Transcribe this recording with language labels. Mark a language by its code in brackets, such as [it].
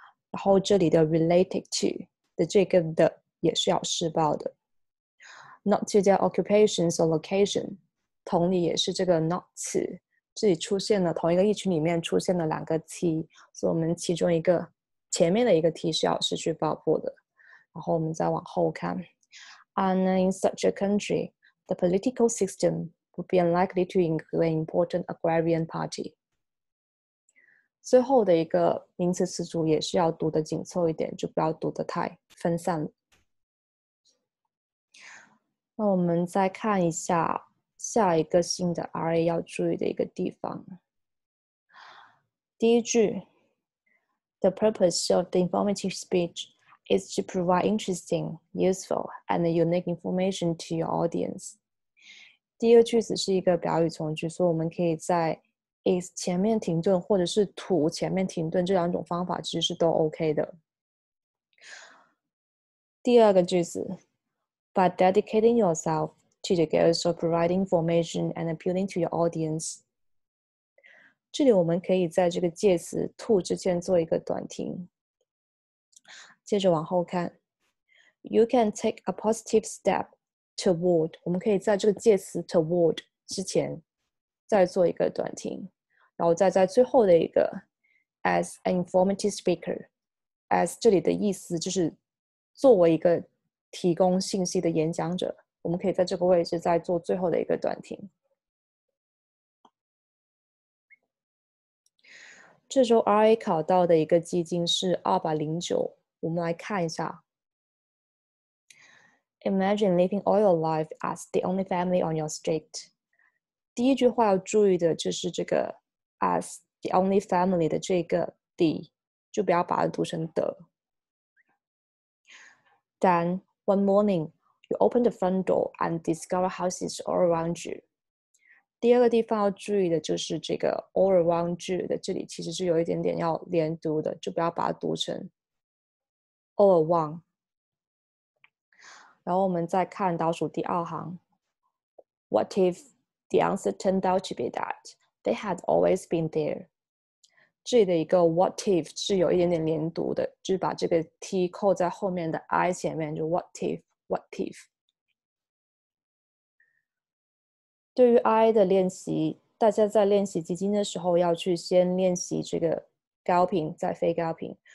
[zh] 然后这里的 [en] related to [zh] 的这个的也是要失爆的， [en] not to their occupations or location， [zh] 同理也是这个 [en] not to， [zh] 这里出现了同一个意群里面出现了两个 t，所以我们其中一个前面的一个 t 是要失去爆破的。然后我们再往后看， [en] and in such a country, the political system would be unlikely to include an important agrarian party。 [zh] 最后的一个名词词组也是要读的紧凑一点，就不要读的太分散了。那我们再看一下下一个新的 RA 要注意的一个地方。第一句， [en] The purpose of the informative speech is to provide interesting, useful, and unique information to your audience。 [zh] 第一个句子是一个表语从句，所以我们可以在is 前面停顿，或者是 to 前面停顿，这两种方法其实是都 OK 的。第二个句子， [en] by dedicating yourself to the goals of providing information and appealing to your audience， [zh] 这里我们可以在这个介词 to 之前做一个短停。接着往后看， [en] you can take a positive step toward， [zh] 我们可以在这个介词 toward 之前再做一个短停。然后再在最后的一个， [en] as an informative speaker， [zh] as 这里的意思就是作为一个提供信息的演讲者，我们可以在这个位置再做最后的一个短停。这周 RA 考到的一个基金是209，我们来看一下。 [en] Imagine living all your life as the only family on your street。 [zh] 第一句话要注意的就是这个。 [en] As the only family [zh] 的这个 the 就不要把它读成的。 [en] Then one morning, you open the front door and discover houses all around you。 [zh] 第二个地方要注意的就是这个 [en] all around you [zh] 的，这里其实是有一点点要连读的，就不要把它读成 [en] all around。 [zh] 然后我们再看倒数第二行， [en] What if the answer turned out to be that？ They had always been there。 [zh] 这里的一个 "what if" 是有一点点连读的，就是把这个 t 扣在后面的 i 前面，就 [en] "what if, what if"。 [zh] 对于 i 的练习，大家在练习基金的时候，要去先练习这个高频，再非高频。